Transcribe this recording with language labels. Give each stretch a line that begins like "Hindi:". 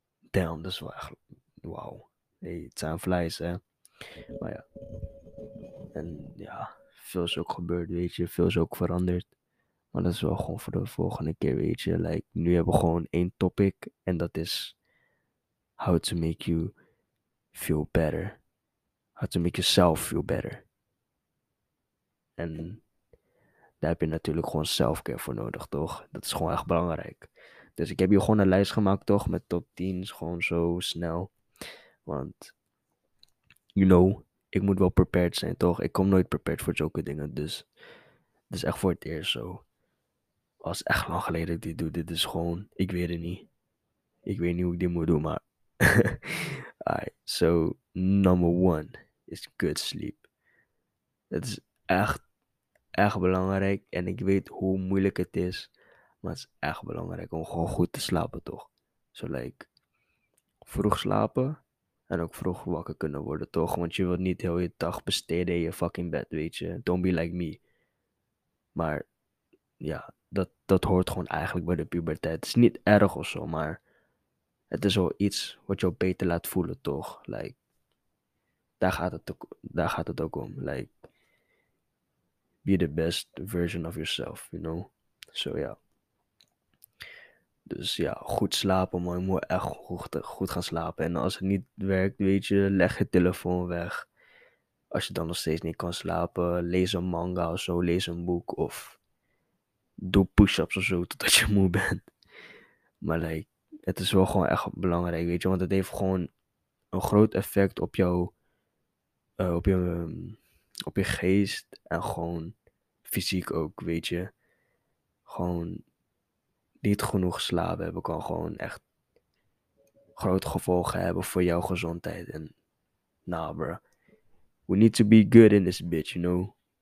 Dutch: Damn, dat is wel echt... Wauw. Hey, het zijn vlees, hè. Maar ja. En ja, veel is ook gebeurd, weet je. Veel is ook veranderd. Maar dat is wel gewoon voor de volgende keer, weet je. Like, nu hebben we gewoon 1 topic. En dat is...
English: How to make you feel better. How to make yourself feel better.
Dutch: En daar heb je natuurlijk gewoon self-care voor nodig, toch? Dat is gewoon echt belangrijk. Dus ik heb hier gewoon een lijst gemaakt, toch? Met top 10, gewoon zo snel. Want,
English: you know,
Dutch: ik moet wel prepared zijn, toch? Ik kom nooit prepared voor zulke dingen, dus... Het is echt voor het eerst zo. Als echt lang geleden ik dit doe, dit is gewoon... Ik weet het niet. Ik weet niet hoe ik dit moet doen, maar...
English: Alright, so, number 1 is good sleep.
Dutch: Het is echt, echt belangrijk. En ik weet hoe moeilijk het is. Maar het is echt belangrijk om gewoon goed te slapen, toch? Zo, like, vroeg slapen. En ook vroeg wakker kunnen worden, toch? Want je wilt niet heel je dag besteden in je fucking bed, weet je.
English: Don't be like me.
Dutch: Maar, ja, dat hoort gewoon eigenlijk bij de puberteit. Het is niet erg of zo, maar... Het is wel iets wat jou beter laat voelen, toch? Like, daar gaat het ook om.
English: Like, be the best version of yourself, you know?
Dutch: So, ja. Yeah. Dus ja, goed slapen, man. Je moet echt goed gaan slapen. En als het niet werkt, weet je, leg je telefoon weg. Als je dan nog steeds niet kan slapen, lees een manga of zo. Lees een boek of doe push-ups of zo, totdat je moe bent. Maar like, het is wel gewoon echt belangrijk, weet je. Want het heeft gewoon een groot effect op jou, op je geest en gewoon fysiek ook, weet je. Gewoon niet genoeg slapen hebben kan gewoon echt grote gevolgen hebben voor jouw gezondheid. En nah, bro.
English: We need to be good in this bitch, you know.